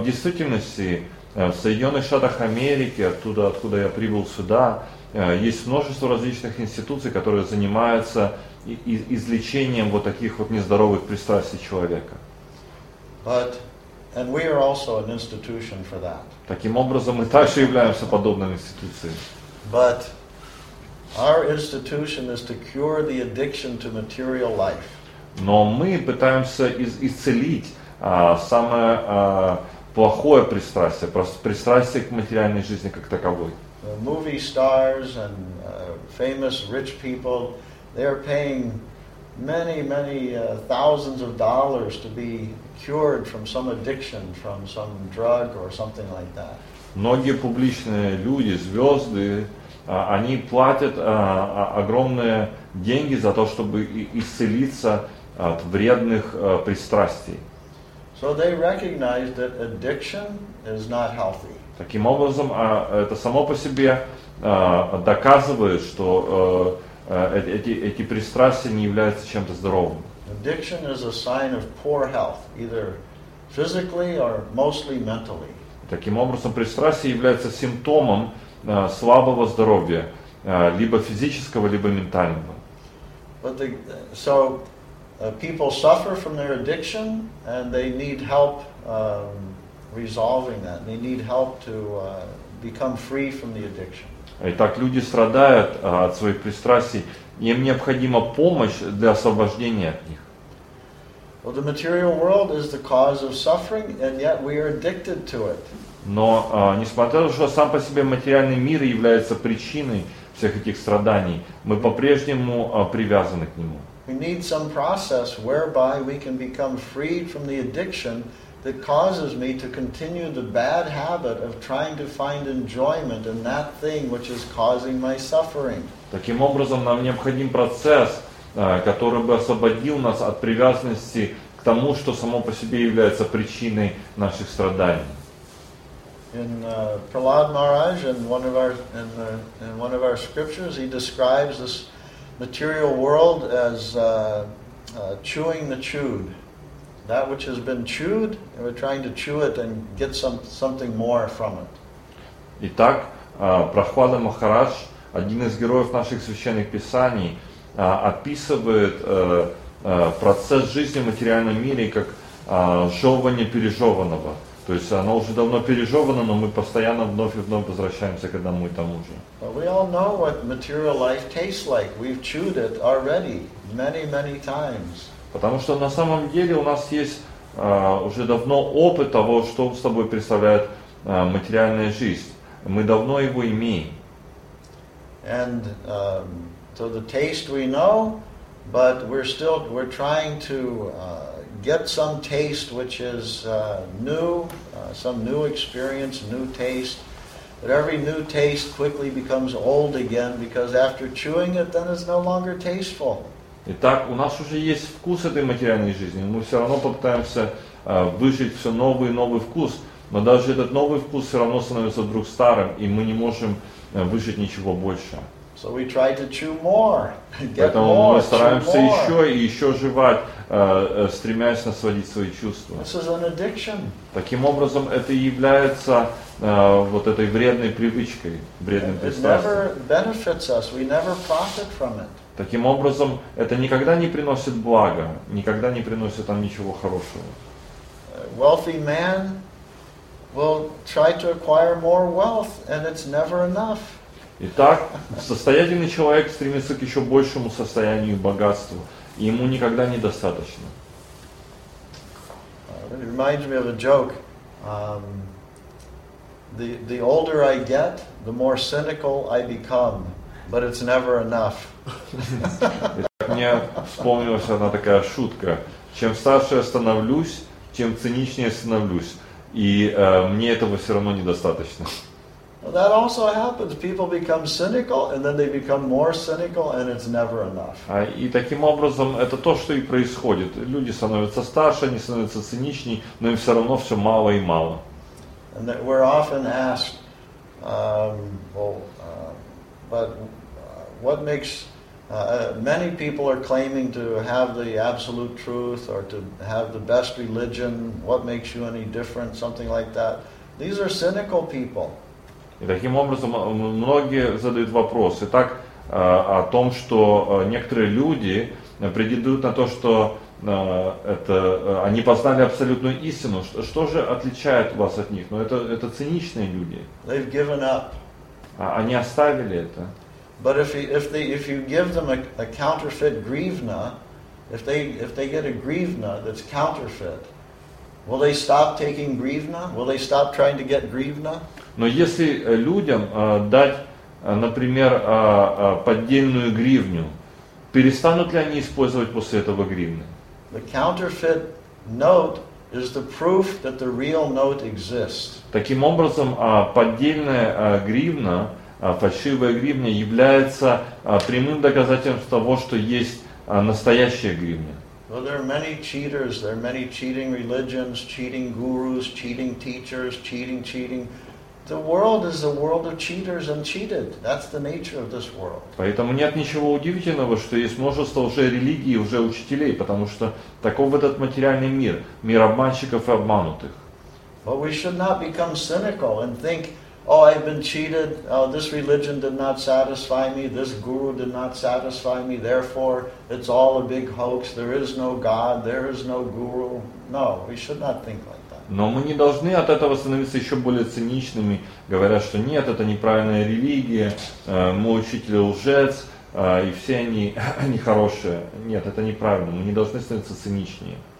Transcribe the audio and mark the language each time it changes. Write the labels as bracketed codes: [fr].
[ru] В действительности, в Соединенных Штатах Америки, оттуда, откуда я прибыл сюда, есть множество различных институций, которые занимаются излечением вот таких вот нездоровых пристрастий человека. [en] But And we are also an institution for that. [ru] Таким образом, мы также являемся подобной институцией. [en] But our institution is to cure the addiction to material life. [ru] Но мы пытаемся исцелить самое плохое пристрастие, пристрастие к материальной жизни как таковой. [en] The movie stars and famous rich people, they're paying many, many thousands of dollars to be cured from some addiction, from some drug or something like that. [ru] Многие публичные люди, звезды, они платят огромные деньги за то, чтобы исцелиться от вредных пристрастий. [en] So they recognize that addiction is not healthy. [ru] Таким образом, это само по себе доказывает, что эти пристрастия не являются чем-то здоровым. [en] Addiction is a sign of poor health, either physically or mostly mentally. [ru] Таким образом, пристрастие является симптомом слабого здоровья, либо физического, либо ментального. [en] But the, so people suffer from their addiction, and they need help resolving that. They need help to become free from the addiction. [ru] Итак, люди страдают от своих пристрастий, им необходима помощь для освобождения от них. [en] Well, the material world is the cause of suffering, and yet we are addicted to it. [ru] Но несмотря на то, что сам по себе материальный мир является причиной всех этих страданий, мы по-прежнему привязаны к нему. [en] We need some process whereby we can become freed from the addiction that causes me to continue the bad habit of trying to find enjoyment in that thing which is causing my suffering. [ru] Таким образом, нам необходим процесс, который бы освободил нас от привязанности к тому, что само по себе является причиной наших страданий. [en] In Prahlad Maharaj, in one of our scriptures, he describes this material world as chewing the chewed. That which has been chewed, and we're trying to chew it and get something more from it. [ru] Итак, Прохлада Махарадж, один из героев наших священных писаний, описывает процесс жизни в материальном мире как жевывание пережеванного. То есть оно уже давно пережевано, но мы постоянно вновь и вновь возвращаемся к одному и тому же. [en] Well, we all know what material life tastes like. We've chewed it already many, many times. [ru] Потому что на самом деле у нас есть уже давно опыт того, что собой представляет материальная жизнь. Мы давно его имеем. [en] And so the taste we know, but we're trying to get some taste which is new, some new experience, new taste. But every new taste quickly becomes old again because after chewing it, then it's no longer tasteful. [ru] Итак, у нас уже есть вкус этой материальной жизни, мы все равно попытаемся выжить все новый и новый вкус, но даже этот новый вкус все равно становится вдруг старым, и мы не можем выжить ничего больше. [en] So we try to chew more, get [ru] Поэтому [en] more, [ru] мы стараемся еще и еще жевать, стремясь насладить свои чувства. [en] This is an addiction. [ru] Таким образом, это является вот этой вредной привычкой, вредным пристрастием. [en] It never benefits us, we never profit from it. [ru] Таким образом, это никогда не приносит блага, никогда не приносит там ничего хорошего. [en] Wealthy man will try to acquire more wealth, and it's never enough. [ru] Итак, состоятельный человек стремится к еще большему состоянию и богатству, и ему никогда недостаточно. [en] It reminds me of a joke. The older I get, the more cynical I become. But it's never enough. [ru] Итак, мне вспомнилась одна такая шутка. Чем старше я становлюсь, тем циничнее я становлюсь. И мне этого все равно недостаточно. [en] Well, that also happens. People become cynical, and then they become more cynical, and it's never enough. [ru] И таким образом, это то, что и происходит. Люди становятся старше, они становятся циничнее, но им все равно все мало и мало. [en] And that we're often asked, but what makes many people are claiming to have the absolute truth or to have the best religion, what makes you any different, something like that. These are cynical people. [ru] И таким образом многие задают вопрос. Итак, о том, что некоторые люди претендуют на то, что это они познали абсолютную истину. Что же отличает вас от них? Ну, это циничные люди. [en] They've given up. [ru] Они оставили это. [en] But if you give them a counterfeit grivna, if they get a grivna that's counterfeit, will they stop taking grivna? Will they stop trying to get grivna? [ru] Но если людям дать, например, поддельную гривню, перестанут ли они использовать после этого гривны? [en] The counterfeit note is the proof that the real note exists. [ru] Таким образом, поддельная гривна, фальшивая гривня является прямым доказательством того, что есть настоящая гривня. [en] Well, there are many cheaters, there are many cheating religions, cheating gurus, cheating teachers, cheating. The world is a world of cheaters and cheated. That's the nature of this world. [ru] Поэтому нет ничего удивительного, что есть множество уже религий, уже учителей, потому что таков этот материальный мир, мир обманщиков и обманутых. [en] But we should not become cynical and think, oh, I've been cheated, oh, this religion did not satisfy me, this guru did not satisfy me, therefore it's all a big hoax, there is no God, there is no guru. No, we should not think like that. [ru] Но мы не должны от этого становиться еще более циничными, говоря, что нет, это неправильная религия, мой учитель лжец, и все они нехорошие. Нет, это неправильно, мы не должны становиться циничнее.